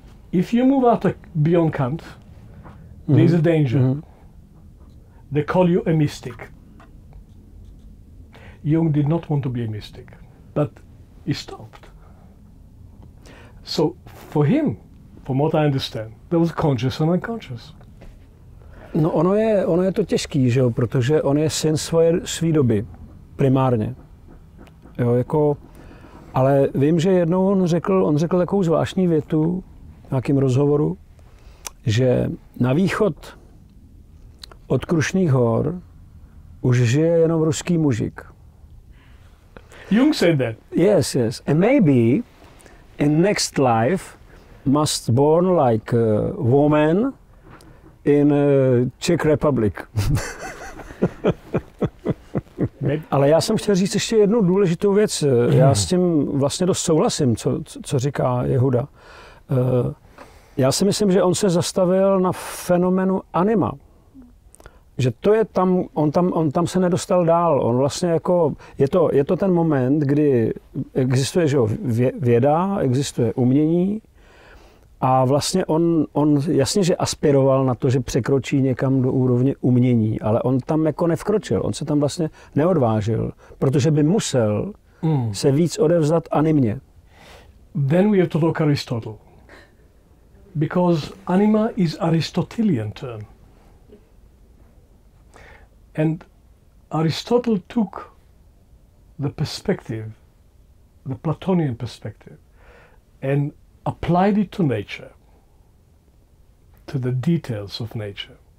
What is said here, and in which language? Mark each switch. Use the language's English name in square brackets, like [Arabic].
[English] If you move out beyond Kant, there's a danger. Mm-hmm. They call you a mystic. Jung did not want to be a mystic, but he stopped. So for him, from what I understand, there was conscious and unconscious. [Czech] No ono je to těžký, že jo, protože on je syn své doby, primárně. Jo, jako, ale vím, že jednou on řekl takovou zvláštní větu v nějakém rozhovoru, že na východ od Krušných hor už žije jenom ruský mužik. [English] Jung said that. Yes, yes. And maybe in next life must born like a woman in Czech Republic. [Czech] Ale já jsem chtěl říct ještě jednu důležitou věc. Já s tím vlastně dost souhlasím, co říká Yehuda. Já si myslím, že on se zastavil na fenoménu anima. Že to je tam, on tam se nedostal dál. On vlastně jako, je to ten moment, kdy existuje, že jo, věda, existuje umění. A vlastně on jasně, že aspiroval na to, že překročí někam do úrovně umění. Ale on tam jako nevkročil. On se tam vlastně neodvážil. Protože by musel se víc odevzdat animě. [English] Then we have to look at Aristotle. Because anima is Aristotelian term. And Aristotle took the perspective, the Platonian perspective, and applied it to nature, to the details of nature.